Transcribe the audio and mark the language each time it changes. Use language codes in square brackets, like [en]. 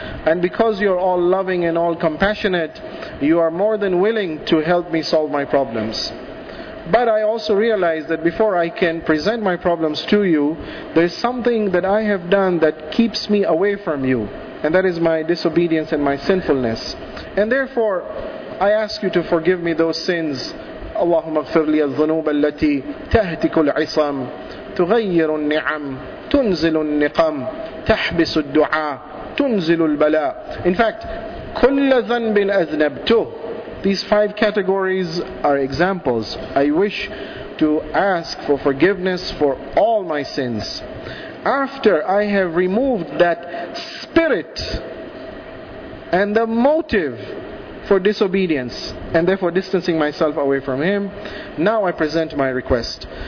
[en] And because you are all loving and all compassionate, you are more than willing to help me solve my problems. But I also realize that before I can present my problems to you, there's something that I have done that keeps me away from you. And that is my disobedience and my sinfulness. And therefore, I ask you to forgive me those sins. [ar] اللهم اغفر لي الذنوب التي تهتك العصام تغير النعم تنزل النقم تحبس الدعاء تنزل البلاء. [en] In fact, [ar] كل ذنب أذنبته. [en] These five categories are examples. I wish to ask for forgiveness for all my sins. After I have removed that spirit and the motive for disobedience and therefore distancing myself away from Him, now I present my request.